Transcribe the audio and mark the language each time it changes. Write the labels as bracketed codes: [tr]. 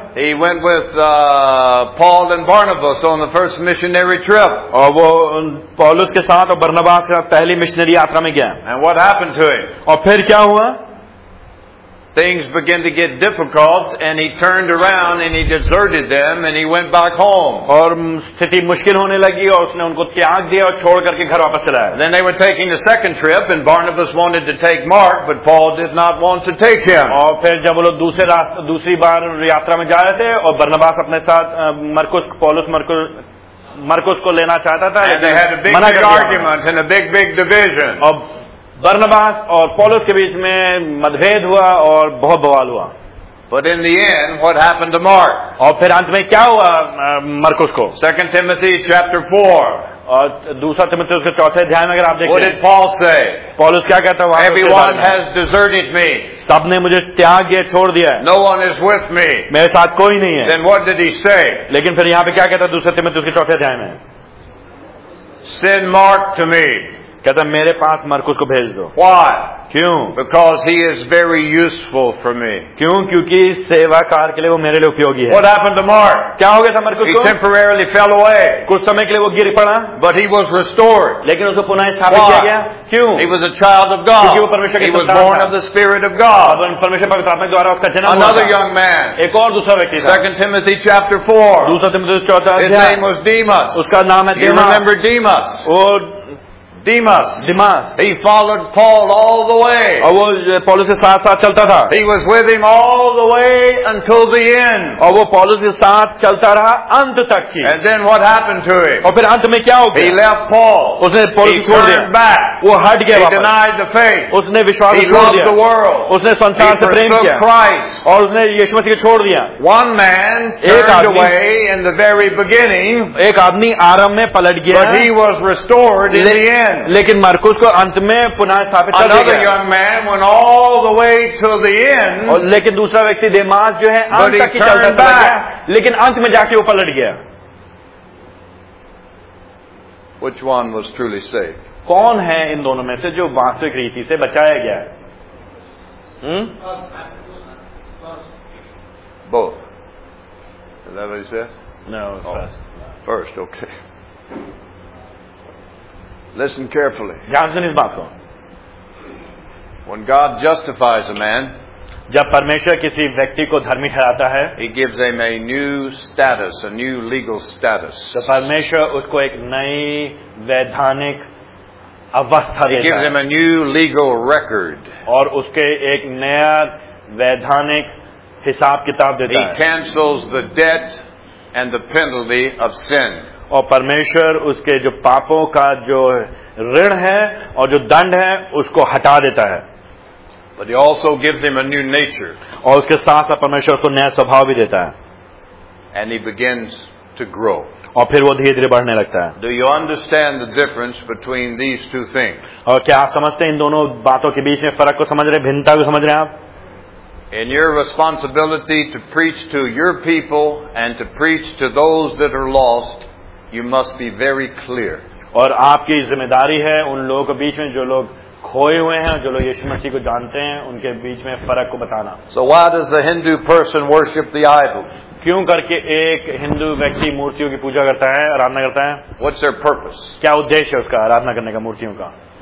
[en] he went with Paul and Barnabas on the first missionary trip [hi] और वो पॉलस के साथ और बर्नबास के साथ पहली मिशनरी यात्रा में गया [en] and what happened to him [hi] और फिर क्या हुआ [en] Things began to get difficult and he turned around and he deserted them and he went back home. [hi] और स्थिति मुश्किल होने लगी और उसने उनको त्याग दिया और छोड़ करके घर वापस चला गया. [en] Then they were taking the second trip and Barnabas wanted to take Mark but Paul did not want to take him. [hi] और फिर जब वो लोग दूसरी बार यात्रा में जा रहे थे और बर्नबास अपने साथ मरकुस को लेना चाहता था [en] and they had a big, big argument and a big big division. [hi] Barnabas और पौलुस के बीच में मतभेद हुआ और बहुत बवाल हुआ [en] But in the end, what happened to Mark? [hi] और फिर अंत में क्या हुआ मरकुस को [en] 2 Timothy chapter 4 [hi] और दूसरा तिमोथियुस के चौथे अध्याय में अगर आप देखें [en] What did Paul say? [hi] पौलुस क्या कहता हुआ [en] Everyone has deserted me. [hi] सबने मुझे त्याग दिया छोड़ दिया [en] No one is with me. [hi] मेरे साथ कोई नहीं है [en] Then what did he say? [hi] लेकिन फिर यहाँ पे क्या कहता है दूसरे तिमोथियुस के चौथे अध्याय में [en] Send Mark to me. [hi] कहता मेरे पास मरकुस को भेज दो [en] Why? [hi] क्यों [en] Because he is very useful for me. [hi] क्यों क्योंकि सेवा कार्य के लिए वो मेरे लिए उपयोगी है [en] What happened to Mark? [hi] क्या हो गया था मरकुस को? [en] He temporarily fell away. [hi] कुछ समय के लिए वो गिर पड़ा [en] But he was restored. [hi] लेकिन उसको पुनः स्थापित किया गया क्यों [en] He was a child of God. [hi] क्योंकि वो परमेश्वर के संतान था [en] He was born of the Spirit of God. [hi] और परमेश्वर पवित्र आत्मा द्वारा उसका जन्म हुआ [en] Another young man. [hi] एक और दूसरा व्यक्ति [en] 2 Timothy chapter 4. [hi] दूसरा तिमोथियुस चौथा [en] His name was Demas. [hi] उसका नाम है [en] Demas. You remember Demas? [hi] वो [en] Demas. Demas. He followed Paul all the way. [hi] और वो पॉलस के साथ साथ चलता था. [en] He was with him all the way until the end. [hi] और वो पॉलस के साथ चलता रहा अंत तक की. [en] And then what happened to him? [hi] और फिर अंत में क्या हो गया? [en] He left Paul. [hi] उसने पॉलस को छोड़ दिया. [en] He turned back. [hi] वो हट गया वापस. [en] He denied the faith. [hi] उसने विश्वास छोड़ दिया. [en] He loved the world. [hi] उसने संसार से प्रेम किया. [en] He forsook Christ. [hi] और उसने यीशु मसीह को छोड़ दिया. [en] One man turned away in the very beginning. [hi] एक आदमी आरंभ में पलट गया. [en] But he was restored in the end. [hi] लेकिन मरकुस को अंत में पुनः स्थापित कर दिया. [en] Another young man went all the way to the end. [hi] और लेकिन दूसरा व्यक्ति देमास जो है अंत तक ही चलता था. लेकिन अंत में जाके वो पलट गया. [en] Which one was truly saved? [hi] कौन है इन दोनों में से जो वास्तविक रीति से बचाया गया? [en] Both. Is that what he said? No, it was first. First, okay. Listen carefully. [hi] ध्यान से इस बात को. [en] When God justifies a man, [hi] जब परमेश्वर किसी व्यक्ति को धर्मी ठहराता है, [en] He gives him a new status, a new legal status. [hi] तो परमेश्वर उसको एक नई वैधानिक अवस्था देता है. [en] He gives him a new legal record. [hi] और उसके एक नया वैधानिक हिसाब किताब देता है. [en] He cancels the debt and the penalty of sin. [hi] और परमेश्वर उसके जो पापों का जो ऋण है और जो दंड है उसको हटा देता है. [en] But he also gives him a new nature. [hi] और उसके साथ साथ परमेश्वर उसको नया स्वभाव भी देता है. [en] And he begins to grow. [hi] और फिर वो धीरे धीरे बढ़ने लगता है. [en] Do you understand the difference between these two things? [hi] और क्या आप समझते हैं इन दोनों बातों के बीच में फर्क को समझ रहे हैं, भिन्नता को समझ रहे हैं आप? [en] In your responsibility to preach to your people and to preach to those that are lost, you must be very clear. [hi] और आपकी जिम्मेदारी है उन लोगों के बीच में जो लोग खोए हुए हैं, जो लोग यीशु मसीह को जानते हैं, उनके बीच में फर्क को बताना. [en] So why does a Hindu person worship the idols? [hi] क्यों करके एक हिंदू व्यक्ति मूर्तियों की पूजा करता है, आराधना करता है? [en] What's their purpose? [hi] क्या उद्देश्य है उसका आराधना करने का, मूर्तियों का?